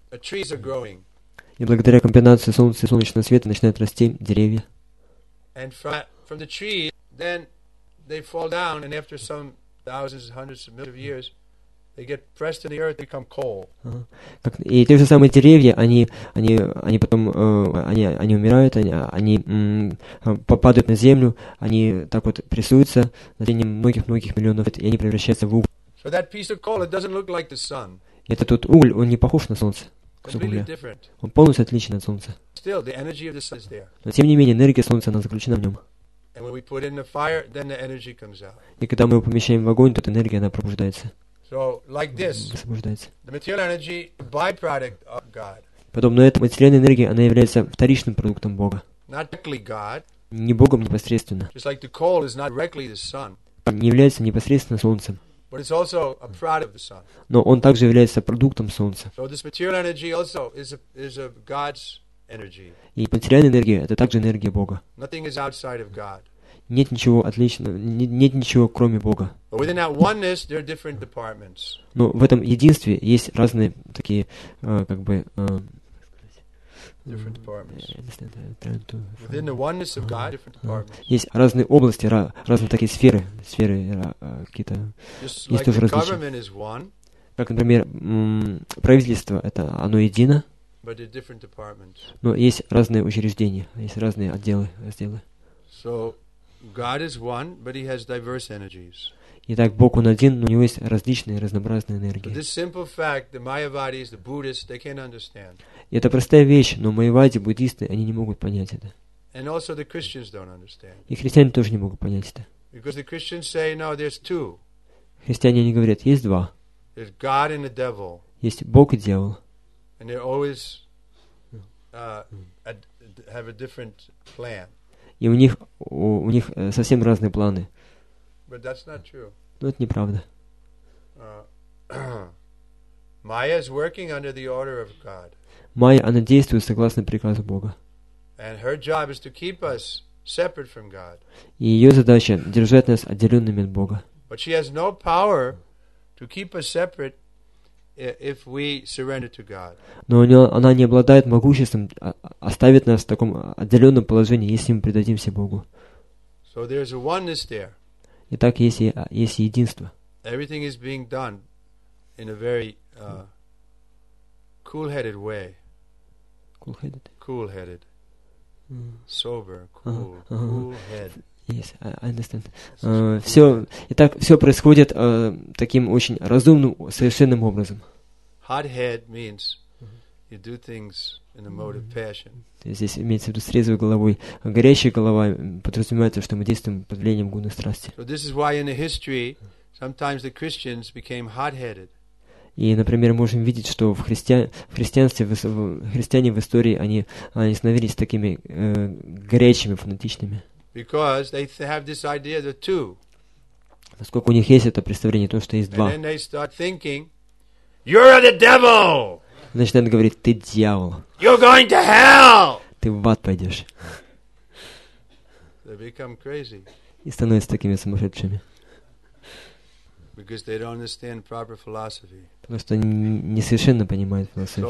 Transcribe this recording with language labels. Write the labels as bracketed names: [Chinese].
[Russian] И благодаря комбинации солнца и солнечного света начинают расти деревья. [English] And from the tree, then they fall down, and after some thousands, hundreds of millions of years, they get pressed in the earth, become coal. [Russian] И те же самые деревья, они потом они умирают, они падают на землю, они так вот прессуются на тени многих миллионов лет, и они превращаются в уголь. [English] So that piece of coal, it doesn't look like the sun. [Russian] Это тот уголь, он не похож на солнце. Он полностью отличен от солнца. [English] Still, the energy of the sun is there. [Russian] Но тем не менее, энергия солнца, она заключена в нем. [English] And when we put in the fire, then the energy comes out. [Russian] И когда мы его помещаем в огонь, то эта энергия, она пробуждается. [English] So, like this, [Russian] освобождается. [English] The material energy, byproduct of God. [Russian] Подобно этому, материальная энергия, она является вторичным продуктом Бога. [English] Not directly God, [Russian] не Богом непосредственно. [English] Just like the coal is not directly the sun. [Russian] Не является непосредственно солнцем. [English] But it's also a product of the sun. [Russian] Но он также является продуктом солнца. [English] So this material energy also is a God's energy. [Russian] И материальная энергия — это также энергия Бога. [English] Nothing is outside of God. [Russian] Нет ничего отличного, нет ничего кроме Бога. [English] But within that oneness, there are different departments. [Russian] Но в этом единстве есть разные такие [English] different departments. Within the oneness of God, different departments. [Russian] Есть разные области, разные такие сферы какие-то. [English] Just [Russian] есть тоже различия. [English] Government is one. [Russian] Как, например, правительство — это оно едино. [English] But there are different departments. [Russian] Но есть разные учреждения, есть разные отделы. [English] So God is one, but he has diverse energies. [Russian] Итак, Бог, он один, но у него есть различные, разнообразные энергии. [English] This simple fact, the Mayavadis, the Buddhists, they can't understand. [Russian] И это простая вещь, но майявади, буддисты, они не могут понять это. [English] And also the Christians don't understand. [Russian] И христиане тоже не могут понять это. [English] Because the Christians say, no, there's two. [Russian] Христиане, они говорят, есть два. [English] There's God and the devil. [Russian] Есть Бог и дьявол. [English] And they always have a different plan. [Russian] И у них совсем разные планы. [English] But that's not true. [Russian] Но это неправда. [English] Maya is working under the order of God. [Russian] Майя, она действует согласно приказу Бога. [English] And her job is to keep us separate from God. [Russian] И ее задача — держать нас отделенными от Бога. [English] But she has no power to keep us separate if we surrender to God. [Russian] Но она не обладает могуществом оставить нас в таком отделенном положении, если мы предадимся Богу. [English] So there's a oneness there. [Russian] Итак, есть единство. [English] Everything is being done in a very cool-headed way. Cool-headed. Cool-headed. Sober. Cool. Cool-head. Yes, I understand. [Russian] Все происходит таким очень разумным, совершенным образом. [English] Hot-head means you do things in a mode of passion. [Russian] Здесь имеется в виду с трезвой головой. А горящая голова подразумевается, что мы действуем под влиянием гуны страсти. [English] So this is why in the history sometimes the Christians became hot-headed. [Russian] И, например, можем видеть, что в христианстве в истории они становились такими горячими, фанатичными. [English] Because they have this idea that two. [Russian] Поскольку у них есть это представление, то, что есть два. [English] And then they start thinking, you're the devil. [Russian] Начинают говорить, ты дьявол. [English] You're going to hell. [Russian] Ты в ад пойдешь. [English] They become crazy. [Russian] И становятся такими сумасшедшими. [English] Because they don't understand proper philosophy. [Russian] Потому что они не совершенно понимают философию.